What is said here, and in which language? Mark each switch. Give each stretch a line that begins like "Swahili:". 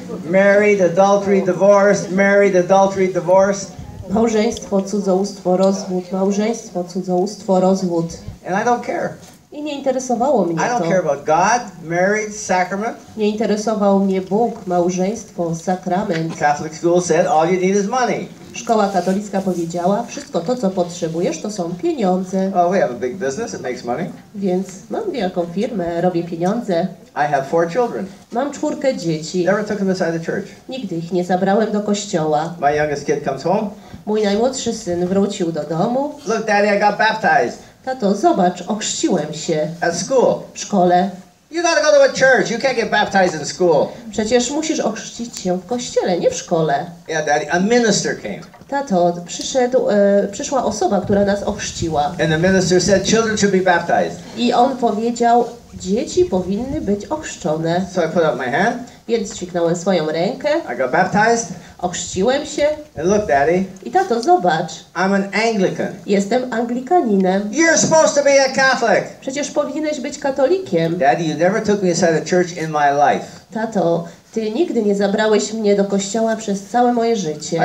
English: Married, adultery, divorce, married, adultery, divorce.
Polish: Małżeństwo, cudzołóstwo, rozwód, małżeństwo, cudzołóstwo, rozwód.
English: And I don't care.
Polish: I nie interesowało mnie to.
English: I don't care about God, marriage, sacrament.
Polish: Nie interesował mnie Bóg, małżeństwo, sakrament.
English: Catholic school said all you need is money.
Polish: Szkoła katolicka powiedziała, wszystko to, co potrzebujesz, to są pieniądze.
English: Oh, we have a big business, it makes money.
Polish: Więc mam wielką firmę, robię pieniądze.
English: I have 4 children.
Polish: Mam 4 dzieci.
English: Never took them inside the church.
Polish: Nigdy ich nie zabrałem do kościoła.
English: My youngest kid comes home.
Polish: Mój najmłodszy syn wrócił do domu.
English: Look, daddy, I got baptized.
Polish: Tato, zobacz, ochrzciłem się.
English: At school.
Polish: W szkole.
English: You gotta go to a church. You can't get baptized in school.
Polish: Przecież musisz ochrzcić się w kościele, nie w szkole.
English: Yeah, daddy, a minister came.
Polish: Tato, przyszła osoba, która nas ochrzciła.
English: And the minister said children should be baptized.
Polish: I on powiedział, dzieci powinny być ochrzczone.
English: So I put up my hand.
Polish: Więc dźwignąłem swoją rękę.
English: I got baptized.
Polish: Ochrzciłem się.
English: And look, daddy.
Polish: I tato, zobacz.
English: I'm an Anglican.
Polish: Jestem Anglikaninem.
English: You're supposed to be a Catholic.
Polish: Przecież powinieneś być katolikiem.
English: Daddy, you never took me inside a church in my life.
Polish: Tato, ty nigdy nie zabrałeś mnie do kościoła przez całe moje życie.